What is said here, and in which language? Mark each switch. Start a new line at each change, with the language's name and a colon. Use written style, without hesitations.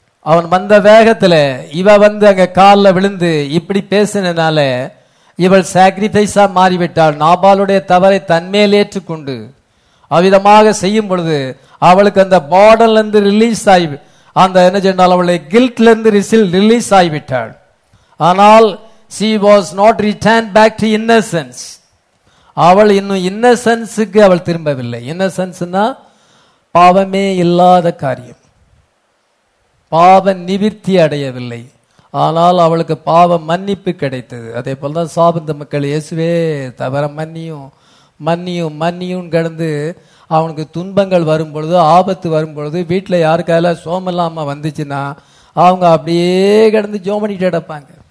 Tamil: அவன் வந்த வேகத்தில் இவ வந்து அங்க காலில் விழுந்து இப்படி பேசினால இவள் சாக்ரிஃபைஸா மாறிவிட்டாள். நாபாலுடைய தவறை தன்மேல் ஏற்றுக்கொண்டு அவ்விதமாக செய்யும் பொழுது அவளுக்கு அந்த பார்டன்ல இருந்து ரிலீஸ் ஆகி, அந்த என்ன சொன்னால், அவளுடைய கில்ட்ல இருந்து ரிலீஸ் ஆகிவிட்டாள். ஆனால்
English: she was not returned back to innocence.
Tamil: அவள் இன்னும் இன்னசென்ஸுக்கு அவள் திரும்பவில்லை. இன்னசென்ஸ்னா பாவமே இல்லாத காரியம். பாவ நிவிர்த்தி அடையவில்லை. ஆனால் அவளுக்கு பாவ மன்னிப்பு கிடைத்தது. அதே போல தான் சாபந்த மக்கள் இயேசுவே தவற மன்னியும் மன்னியும் மன்னியும் கடந்து அவனுக்கு துன்பங்கள் வரும் பொழுது, ஆபத்து வரும் பொழுது, வீட்டில் யாருக்கால சோமல்லாம வந்துச்சுன்னா அவங்க அப்படியே கடந்து ஜோம் பண்ணிட்டு கிடப்பாங்க.